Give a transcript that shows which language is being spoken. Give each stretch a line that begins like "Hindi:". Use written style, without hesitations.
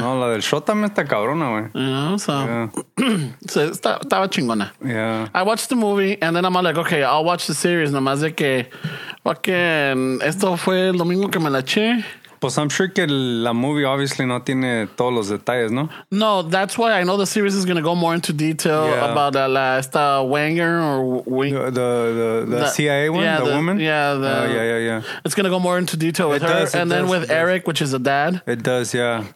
Spanish: No, la del show también está cabrona, güey. So estaba chingona.
English: Yeah. I watched the movie and then I'm like, okay, I'll watch the series.
Spanish: Nomás de que fucking esto fue el domingo que me la eché. Pues
English: I'm sure
Spanish: que la movie obviously no tiene todos los detalles, ¿no?
English: No, that's why I know the series is going to go more into detail about
Spanish: la esta
English: Wenger or CIA one, woman? Yeah. It's going to go more into detail with her. Eric, which is a dad. It does, yeah.